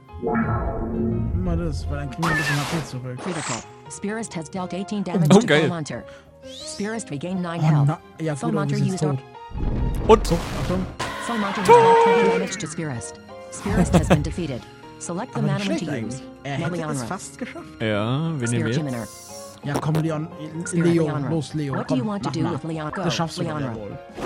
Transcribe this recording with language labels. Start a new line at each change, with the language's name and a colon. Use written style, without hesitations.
German: Immer das, weil dann kriegen wir ein bisschen HP zurück.
English: Critical. Spearist has dealt 18 damage okay. to Soul Monter. Spearist regained 9 health.
German: Ja,
English: Soul Monter used Aura.
German: Und so. Achtung.
English: Soul Monter has dealt 20 damage to Spearist. Spearist has been defeated. Select the
German: Aber
English: Manaman to use.
German: Er hätte es fast geschafft. Ja, wir nehmen jetzt. Ja, komm, Leon. Leon, los, Leon. Komm, mach mal. Das schaffst du doch ja wohl.